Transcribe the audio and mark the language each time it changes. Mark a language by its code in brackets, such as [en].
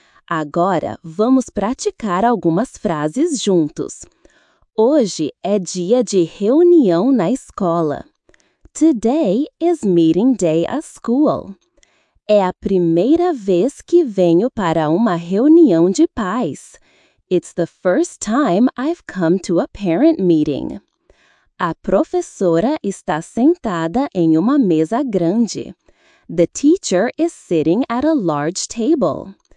[pt] Agora, vamos praticar algumas frases juntos. Hoje é dia de reunião na escola. [en] Today is meeting day at school. [pt] É a primeira vez que venho para uma reunião de pais. [en] It's the first time I've come to a parent meeting. [pt] A professora está sentada em uma mesa grande. [en] The teacher is sitting at a large table.